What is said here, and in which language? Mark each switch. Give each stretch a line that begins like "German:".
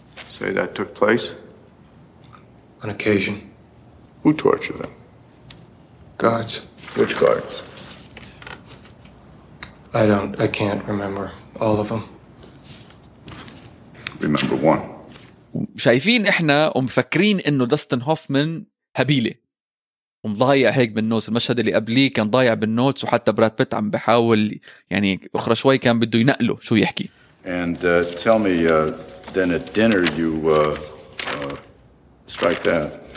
English: Say that took place? On occasion. Who tortured them? Guards. Which guards? I can't remember all of them. Remember one.
Arabic: شايفين احنا ومفكرين انه داستن هوفمان هبيلة ومضايع هيك بالنوتس. المشهد اللي قبليه كان ضايع بالنوتس وحتى براد بيت عم بحاول يعني اخرى شوي كان بده ينقله شو يحكي.
English: And tell me then at dinner you strike that.